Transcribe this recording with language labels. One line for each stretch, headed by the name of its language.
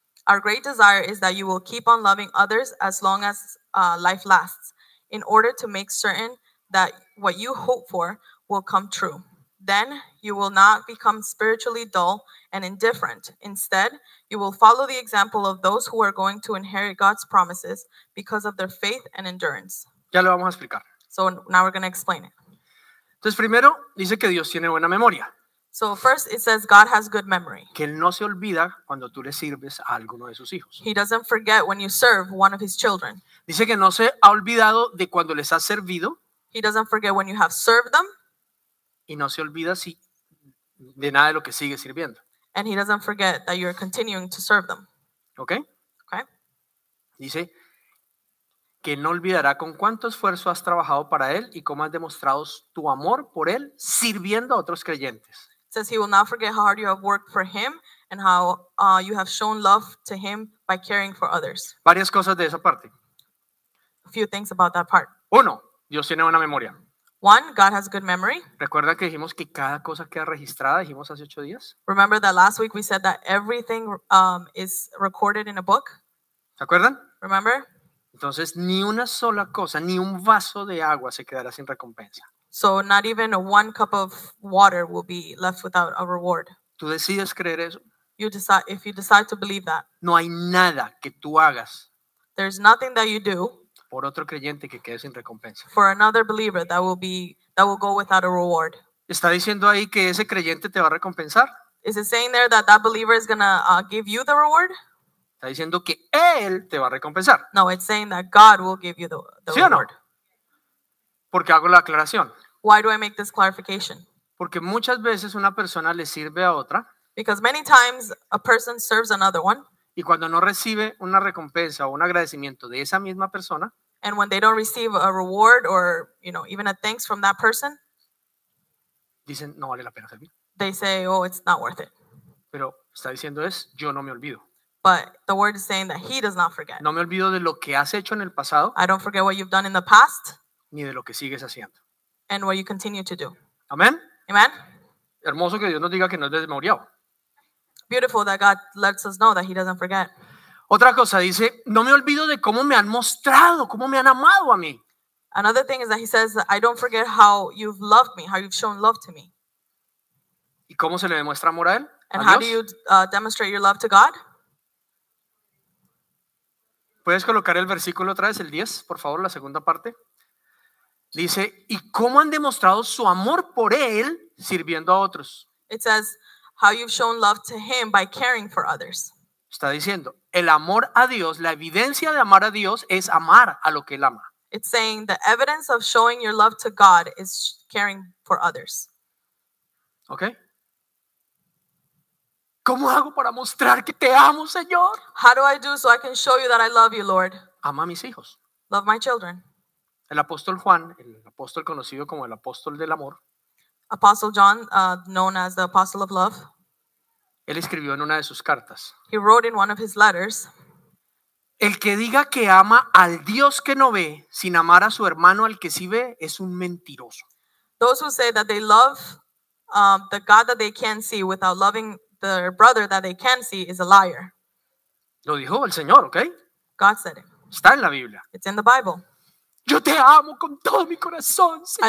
English: Our great desire is that you will keep on loving others as long as life lasts, in order to make certain that what you hope for will come true. Then you will not become spiritually dull and indifferent. Instead, you will follow the example of those who are going to inherit God's promises because of their faith and endurance.
Spanish: Ya lo vamos a explicar.
English: So now we're going to explain it.
Spanish: Entonces, primero, dice que Dios tiene buena memoria.
English: So first it says God has good memory.
Spanish: Que él no se olvida cuando tú le sirves a alguno de sus hijos.
English: He doesn't forget when you serve one of his children.
Spanish: Dice que no se ha olvidado de cuando les ha servido.
English: He doesn't forget when you have served them.
Spanish: Y no se olvida si de nada de lo que sigue sirviendo.
English: And he doesn't forget that you're continuing to serve them. ¿Okay? Okay.
Spanish: Dice que no olvidará con cuánto esfuerzo has trabajado para él y cómo has demostrado tu amor por él sirviendo a otros creyentes.
English: It says he will not forget how hard you have worked for him and how you have shown love to him by caring for others.
Spanish: Varias cosas de esa parte.
English: A few things about that part.
Spanish: Uno, Dios tiene buena memoria.
English: One, God has good memory.
Spanish: ¿Recuerdan que dijimos que cada cosa queda registrada? Dijimos hace 8 días.
English: Remember that last week we said that everything is recorded in a book?
Spanish: ¿Se acuerdan?
English: Remember?
Spanish: Entonces, ni una sola cosa, ni un vaso de agua se quedará sin recompensa.
English: So not even one cup of water will be left without a reward.
Spanish: ¿Tú decides creer eso?
English: If you decide to believe that.
Spanish: No hay nada que tú hagas.
English: There's nothing that you do.
Spanish: Por otro creyente que quede sin recompensa.
English: For another believer that will go without a reward.
Spanish: ¿Está diciendo ahí que ese creyente te va a recompensar?
English: Is it saying there that that believer is going to give you the reward?
Spanish: Está diciendo que él te va a recompensar.
English: No, it's saying that God will give you the
Spanish: ¿sí ¿Sí o no? Porque hago la aclaración.
English: Why do I make this clarification?
Spanish: Porque muchas veces una persona le sirve a otra.
English: Because many times a person serves another one.
Spanish: Y cuando no recibe una recompensa o un agradecimiento de esa misma persona.
English: And when they don't receive a reward or, you know, even a thanks from that person.
Spanish: Dicen, no vale la pena servir.
English: They say, oh, it's not worth it.
Spanish: Pero está diciendo es, yo no me olvido.
English: But the word is saying that he does not forget.
Spanish: No me olvido de lo que has hecho en el pasado.
English: I don't forget what you've done in the past.
Spanish: Ni de lo que sigues haciendo.
English: And what you continue to do.
Spanish: Amén.
English: Amen.
Spanish: Hermoso que Dios nos diga que no es desmemoriado.
English: Beautiful that God lets us know that he doesn't forget.
Spanish: Otra cosa dice, no me olvido de cómo me han mostrado, cómo me han amado a mí.
English: Another thing is that he says, I don't forget how you've loved me, how you've shown love to me.
Spanish: ¿Y cómo se le demuestra amor a él?
English: And
Spanish: ¿a
English: how
Spanish: Dios?
English: Do you demonstrate your love to God?
Spanish: ¿Puedes colocar el versículo otra vez, el 10, por favor, la segunda parte? Dice, ¿y cómo han demostrado su amor por él sirviendo a otros?
English: It says, how you've shown love to him by caring for others.
Spanish: Está diciendo, el amor a Dios, la evidencia de amar a Dios es amar a lo que él ama.
English: It's saying the evidence of showing your love to God is caring for others. Okay.
Spanish: ¿Cómo hago para mostrar que te amo, Señor?
English: How do I do so I can show you that I love you, Lord?
Spanish: Ama a mis hijos.
English: Love my children.
Spanish: El apóstol Juan, el apóstol conocido como el apóstol del amor.
English: Apostle John, known as the Apostle of Love.
Spanish: Él escribió en una de sus cartas.
English: He wrote in one of his letters.
Spanish: El que diga que ama al Dios que no ve, sin amar a su hermano al que sí ve, es un mentiroso.
English: Those who say that they love the God that they can't see without loving their brother that they can see is a liar.
Spanish: Lo dijo el Señor, ¿ok?
English: God said it.
Spanish: Está en la Biblia.
English: It's in the Bible.
Spanish: Yo te amo con todo mi corazón, Señor.